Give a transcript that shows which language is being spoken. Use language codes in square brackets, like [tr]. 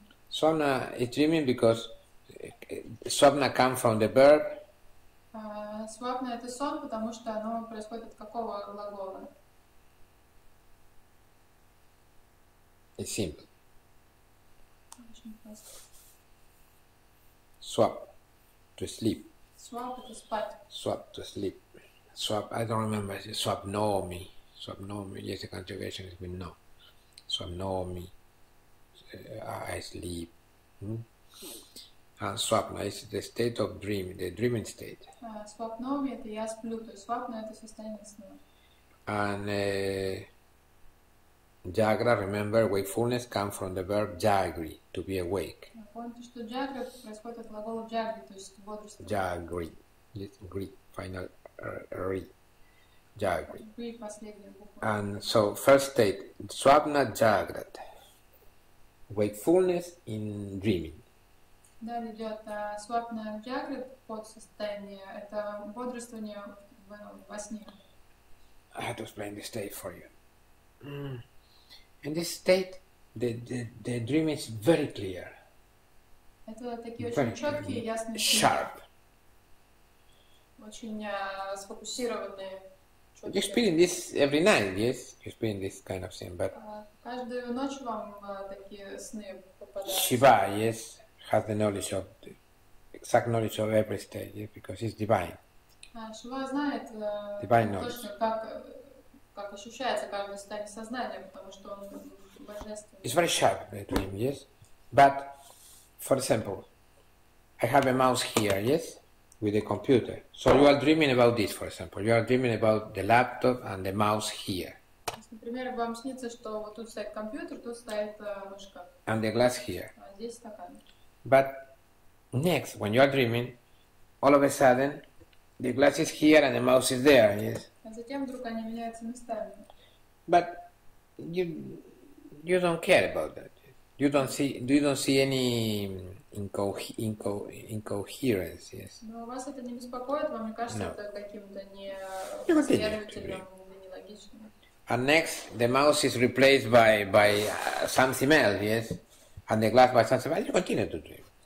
[en] Swapna is dreaming because swapna comes from the verb. [ru] Swapna это сон, потому что оно происходит от какого глагола? [en] It's simple. Swap, to sleep. Swap to sleep. Swap, I don't remember. Swap no me. Swap no me. Yes, the conjugation has been no. Swap no me. I sleep. And swap no is the state of dream, the dreaming state. [ru] Swap no me, это я сплю. То есть swap no это состояние сна. [en] And jagra, remember, wakefulness comes from the verb jagri, to be awake. [ru] Помните, что джагра происходит от глагола джагри, то есть бодрство. Джагри. Гри. Final ри. Джагри. Гри последняя буква. [en] And so, first state. Свапна джаграт. Wakefulness in dreaming. [ru] Далее идет свапна джаграт под состояние. Это бодрствование во сне. [en] I have to explain this state for you. In this state, the dream is very clear. [ru] Это такие очень четкие и ясные сны. [en] Sharp. [ru] Очень сфокусированные. [en] You experience this every night, yes? You experience this kind of thing, but... [ru] Каждую ночь вам такие сны попадают. [en] Shiva, yes, has the knowledge of... The exact knowledge of every state, yes? Because it's divine. [ru] Shiva знает... [en] Divine knowledge. [ru] Как ощущается каждый стадий сознания, потому что он божественный. [en] It's very sharp, the dream, yes? But... For example, I have a mouse here, yes, with a computer. So you are dreaming about this, for example. You are dreaming about the laptop and the mouse here. [ru] Например, вам снится, что вот тут стоит компьютер, тут стоит ручка. [en] And the glass here. [ru] А здесь стакан. [en] But next, when you are dreaming, all of a sudden, the glass is here and the mouse is there, yes. [ru] А затем вдруг они меняются местами. [en] But you don't care about that. You don't see any incoherence, yes. [ru] Но вас это не беспокоит, вам не кажется [en] no. [ru] это каким-то несоответствующим? [en] And next, the mouse is replaced by something else, yes? And the glass by something else, you continue to dream.